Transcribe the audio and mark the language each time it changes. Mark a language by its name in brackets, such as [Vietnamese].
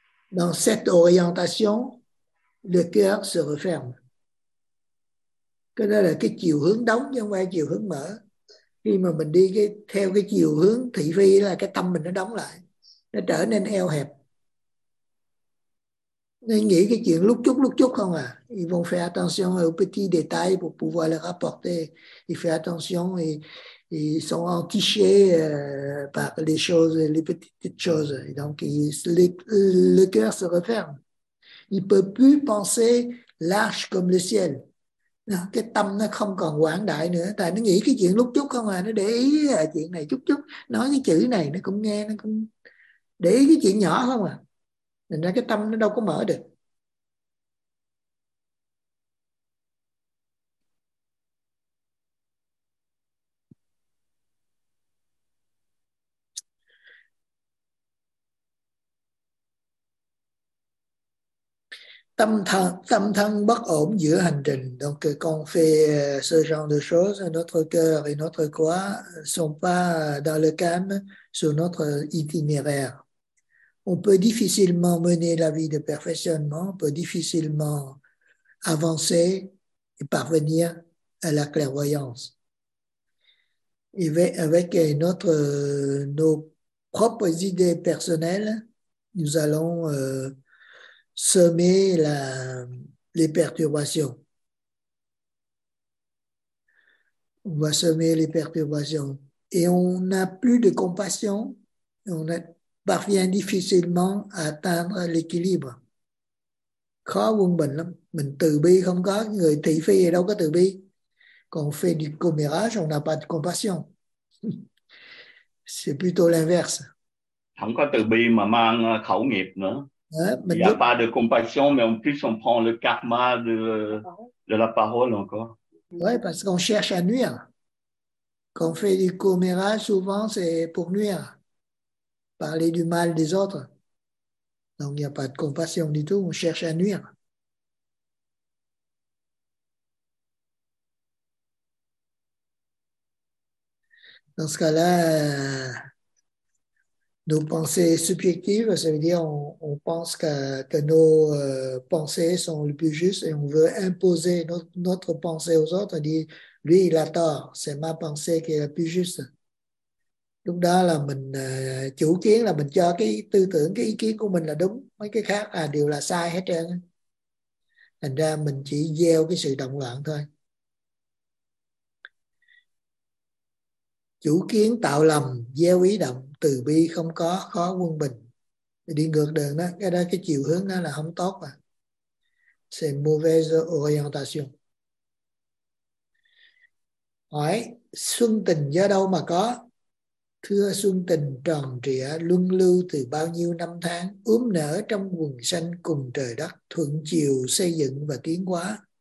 [French] Dans cette orientation, le cœur se referme. [Vietnamese] Cái đó là cái chiều hướng đóng chứ không phải chiều hướng mở. Khi mà mình đi theo cái chiều hướng thị phi là cái tâm mình nó đóng lại, nó trở nên eo hẹp. Nên nghĩ cái chuyện lúc chút không à. [French] Ils vont faire attention aux petits détails pour pouvoir les rapporter. Ils font attention et ils sont entichés par les choses, les petites choses. Et donc, le cœur se referme. Il ne peut plus penser large comme le ciel. [Vietnamese] Cái tâm nó không còn quảng đại nữa. Tại nó nghĩ cái chuyện lúc chút không à. Nó để ý chuyện này chút chút. Nói cái chữ này nó cũng nghe. Nó cũng để ý cái chuyện nhỏ không à. Nên ra cái tâm nó đâu có mở được. Tâm thân bất ổn giữa hành trình. [French] Donc quand on fait ce genre de choses, notre cœur et notre quoi sont pas dans le calme sur notre itinéraire. On peut difficilement mener la vie de perfectionnement, on peut difficilement avancer et parvenir à la clairvoyance. Et avec nos propres idées personnelles, nous allons semer les perturbations. On va semer les perturbations. Et on n'a plus de compassion, on a parvient difficilement à atteindre l'équilibre. [Vietnamese] Khó quân bình lắm. Mình từ bi không có. Người thị phi đâu có từ bi. [French] Quand on fait du commérage, on n'a pas de compassion. C'est plutôt l'inverse. [Vietnamese] Không có từ bi mà mang khẩu nghiệp nữa. [French] Il n'y a pas de compassion, mais en plus, on prend le karma de la parole encore. Oui, parce qu'on cherche à nuire. Quand on fait du commérage, souvent, c'est pour nuire. Parler du mal des autres. Donc, il n'y a pas de compassion du tout. On cherche à nuire. Dans ce cas-là, nos pensées subjectives, ça veut dire on pense que nos pensées sont les plus justes et on veut imposer notre pensée aux autres. On dit, lui, il a tort. C'est ma pensée qui est la plus juste. [Vietnamese] Lúc đó là mình chủ kiến là mình cho cái tư tưởng, cái ý kiến của mình là đúng. Mấy cái khác là đều là sai hết trơn. Thành ra mình chỉ gieo cái sự động loạn thôi. Chủ kiến tạo lầm, gieo ý động, từ bi không có, khó quân bình. Đi ngược đường đó, cái đó cái chiều hướng đó là không tốt. Mà. [French] C'est mauvaise orientation. [Vietnamese] Hỏi, xuân tình do đâu mà có? Thưa xuân tình tròn trịa, luân lưu từ bao nhiêu năm tháng, ướm nở trong quần xanh cùng trời đất, thuận chiều xây dựng và tiến hóa.